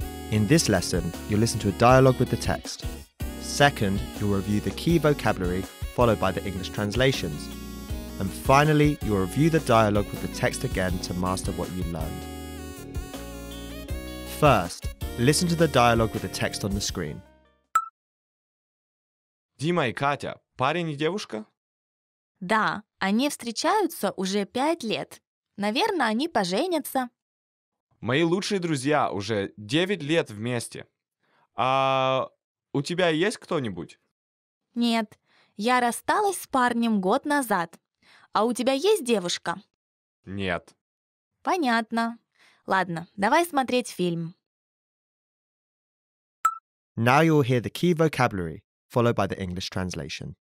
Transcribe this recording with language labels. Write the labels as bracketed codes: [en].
[en] In this lesson, you'll listen to a dialogue with the text. Second, you'll review the key vocabulary followed by the English translations. And finally, you'll review the dialogue with the text again to master what you learned. First, listen to the dialogue with the text on the screen. [ru] Дима и Катя, парень и девушка? Да, они встречаются уже 5 лет. Наверное, они поженятся. Мои лучшие друзья уже 9 лет вместе. А у тебя есть кто-нибудь? Нет. Я рассталась с парнем год назад. А у тебя есть девушка? Нет. Понятно. Ладно, давай смотреть фильм. [en] Now you'll hear the key vocabulary, followed by the English translation.